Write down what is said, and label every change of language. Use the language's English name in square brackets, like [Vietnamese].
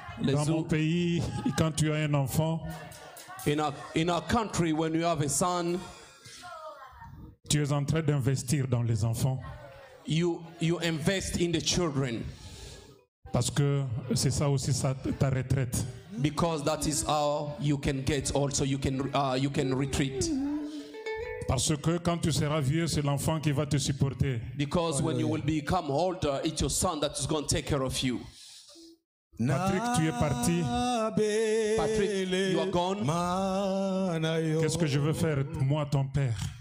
[French] Dans mon pays, quand tu as un enfant, [English] in our country, when you have a son, [French] tu es en train d'investir dans les enfants. [English] You invest in the children. [French] Parce que c'est ça aussi ta retraite. [English] Because that is how you can get also you can retreat. [French] Parce que quand tu seras vieux, c'est l'enfant qui va te supporter. [English] Because when you will become older, it's your son that is going to take care of you. [French] Patrick, tu es parti. [English] Patrick, you are gone. [French] Qu'est-ce que je veux faire, moi, ton père?